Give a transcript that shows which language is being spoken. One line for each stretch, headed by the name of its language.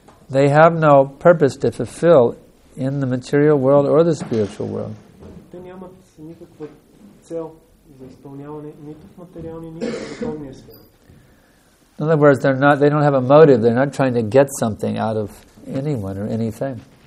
English: They have no purpose to fulfill in the material world or the spiritual world.
Bulgarian: Те нямат никаква цел за изпълняване нито в материалния, нито в духовния свят.
English: In other words, they don't have a motive. They're not trying to get something out of anyone or anything.